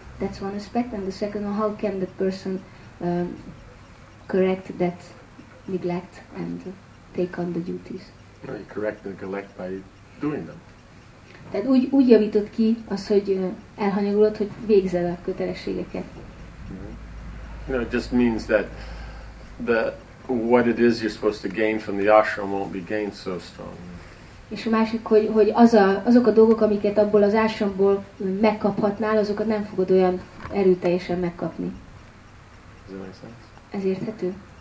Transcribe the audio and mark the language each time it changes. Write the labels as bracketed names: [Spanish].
[English] That's one aspect, and the second one, how can the person correct that neglect and take on the duties? No, you correct the neglect by doing them. [Hungarian] Tehát úgy javítod ki az, hogy elhanyagolod, hogy végzel a kötelességeket. [English] No, it just means that the what it is you're supposed to gain from the ashram won't be gained so strongly. [Hungarian] És a másik, hogy azok a dolgok, amiket abból az ásramból megkaphatnál, azokat nem fogod olyan erőteljesen megkapni. Ez érthető?